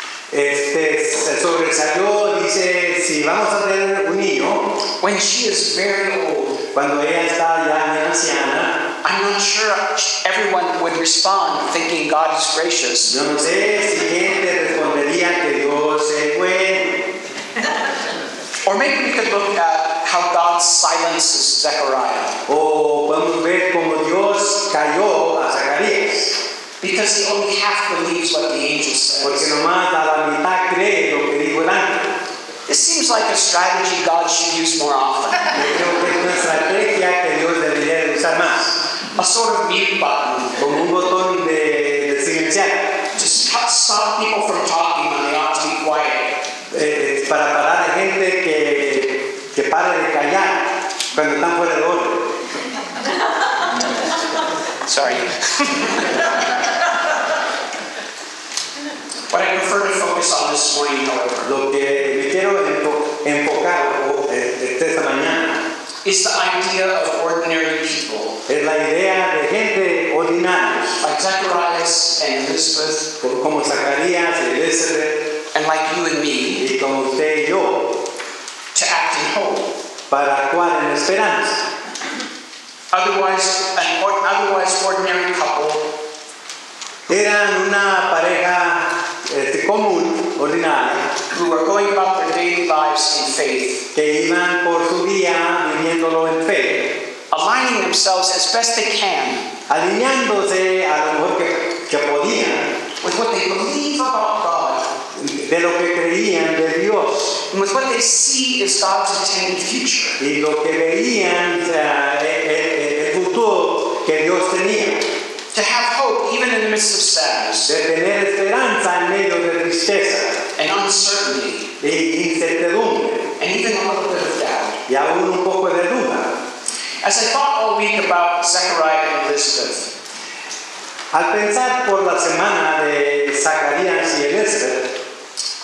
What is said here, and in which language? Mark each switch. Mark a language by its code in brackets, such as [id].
[es] Sobresalió, dice, si vamos a tener un niño. [en] When she is very old. [es] Cuando ella está ya muy anciana. [en] I'm not sure everyone would respond thinking God is gracious. [es] Yo no sé si gente respondería que Dios es bueno. [en] Or maybe we could look at how God silences Zechariah. [es] Oh, vamos a ver cómo Dios calló a Zacarías. [en] Because he only half believes what the angel says. [es] Porque nomás a la mitad cree lo que dijo el ángel. [en] This seems like a strategy God should use more often. [es] Creo que es una estrategia que Dios debería usar más. [en] A sort of mute button. [es] Como un botón de silenciar. [en] Just stop people from talking when they ought to be quiet. [es] Para parar a gente que para de callar cuando están fuera de orden. [en] Sorry. What I prefer to focus on this morning, however, [es] lo que me quiero enfocar esta mañana, [en] is the idea of ordinary people. [es] Es la idea de gente ordinaria. [en] Like Zacharias and Elizabeth. [es] Como Zacarías y Elizabeth. [en] And like you and me. [es] Y como usted y yo. [en] To act in hope. [es] Para actuar en esperanza. [en] Otherwise, an otherwise ordinary couple. [es] Eran una pareja común, ordinaria. [en] Who were going about their daily lives in faith. [es] Que iban por su día viviéndolo en fe. [en] Aligning themselves as best they can. [es] Alineándose a lo mejor que podían. [en] With what they believe about God. [es] De lo que creían de Dios. [en] And with what they see is God's intended future. [es] Y lo que veían el futuro que Dios tenía. [en] To have hope even in the midst of sadness. [es] De tener esperanza en medio de tristeza. [en] And uncertainty. [es] E incertidumbre. [en] And even a little bit of doubt. [es] Y aún un poco de duda. [en] As I thought all week about Zechariah and Elizabeth. [es] Al pensar por la semana de Zacarías y Elizabeth.